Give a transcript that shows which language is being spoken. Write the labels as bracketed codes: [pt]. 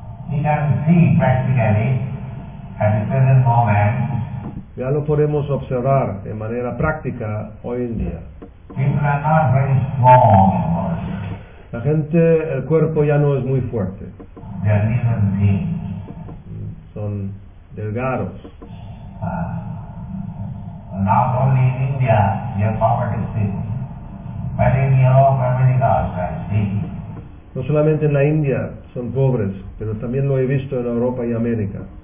[en] We can see practically at the present moment. [es] Ya lo podemos observar de manera práctica hoy en día. [en] People are not very strong. [es] La gente, el cuerpo ya no es muy fuerte. [en] They are even thin. [es] Son delgados. [en] Not only in India, the poverty is big, but in Europe, America, also, I see. [es] No solamente en la India son pobres, pero también lo he visto en Europa y América.